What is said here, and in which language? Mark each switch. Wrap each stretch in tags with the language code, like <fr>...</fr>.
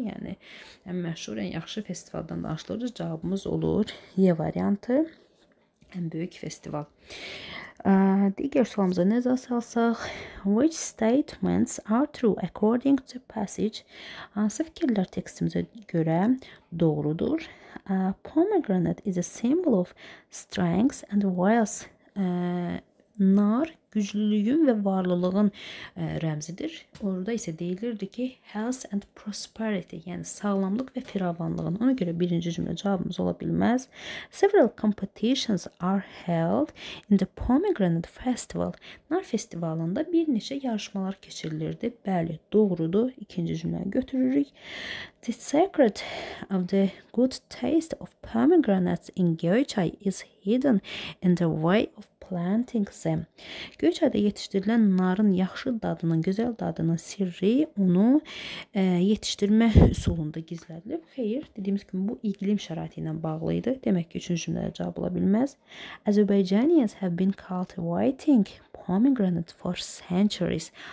<az>Yəni, ən məşhur, ən yaxşı festivaldan danışılırdı. Cavabımız olur Y variantı. Ən böyük festival. Digər sualımıza nəzər salsaq.</az> <en>Which statements are true according to passage?</en> <az>Hansı fikirlər tekstimizə görə doğrudur?</az> <en>Pomegranate is a symbol of strength and wealth.</en> <az>Nar güclülüyün və varlılığın rəmzidir. Orada isə deyilirdi ki,</az> <en>health and prosperity,</en> <az>yəni sağlamlıq və firavanlığın. Ona görə birinci cümlə cavabımız ola bilməz.</az> <en>Several competitions are held in the Pomegranate Festival.</en> <az>Nar festivalında bir neçə yarışmalar keçirilirdi. Bəli, doğrudur. İkinci cümləni götürürük.</az> <en>The secret of the good taste of pomegranates in Göyçay is hidden in the way of planting them.</en> <az>Göyçayda yetişdirilən narın yaxşı dadının, gözəl dadının sirri onu yetişdirmə üsulunda gizlədilib. Xeyr, dediyimiz kimi bu iqlim şəraiti ilə bağlıydı. Demək ki, üçüncü cümlədə cavab ola bilməz.</az> <en>Azerbaijanians have been cultivating pomegranate for centuries.</en>